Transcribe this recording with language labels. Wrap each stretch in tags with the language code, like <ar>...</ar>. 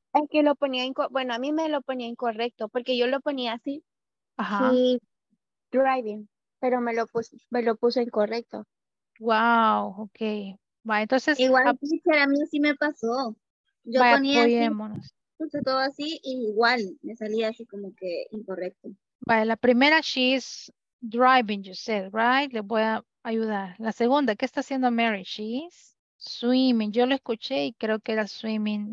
<es>Es que lo ponía, bueno, a mí me lo ponía incorrecto, porque yo lo ponía así, ajá, driving, pero me lo puso incorrecto. Wow, ok, va, entonces. Igual a mí sí me pasó, yo vaya, ponía apoyémonos. Así. Puse todo así y igual me salía así como que incorrecto. Vale, la primera,</es> <en>she's driving, you said, right?</en> <es>Le voy a ayudar. La segunda, ¿qué está haciendo Mary?</es> <en>She's swimming.</en> <es>Yo lo escuché y creo que era swimming.</es>